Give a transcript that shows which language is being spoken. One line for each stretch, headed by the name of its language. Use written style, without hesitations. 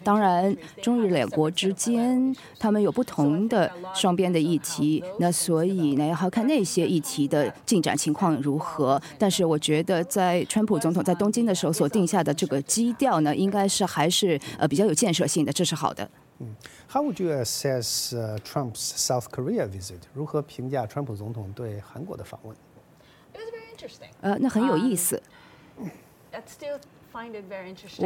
Chinese: 当然，中日两国之间他们有不同的双边的议题，那所以呢要看那些议题的进展情况如何。但是我觉得在川普总统在东京的时候所定下的这个基调呢，应该是还是比较有建设性的，这是好的。
English: How would you assess Trump's South Korea visit?
Chinese: 如何评价川普总统对韩国的访问？
English: It was very interesting.
Chinese: 那很有意思。
English: I still find it very interesting.